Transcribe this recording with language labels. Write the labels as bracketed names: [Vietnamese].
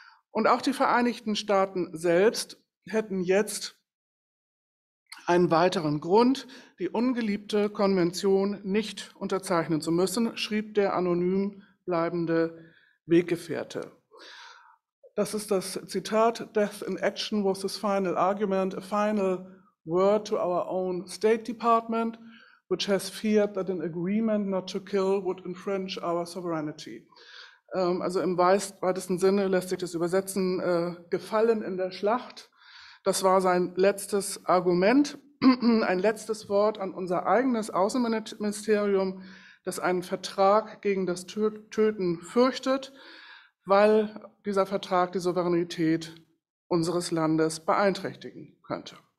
[German] Und auch die Vereinigten Staaten selbst hätten jetzt einen weiteren Grund, die ungeliebte Konvention nicht unterzeichnen zu müssen, schrieb der anonym bleibende Weggefährte. Das ist das Zitat: [English] Death in action was his final argument, a final word to our own State Department, which has feared that an agreement not to kill would infringe our sovereignty. [German] Also im weitesten Sinne lässt sich das übersetzen, gefallen in der Schlacht. Das war sein letztes Argument, ein letztes Wort an unser eigenes Außenministerium, das einen Vertrag gegen das Töten fürchtet, weil dieser Vertrag die Souveränität unseres Landes beeinträchtigen könnte.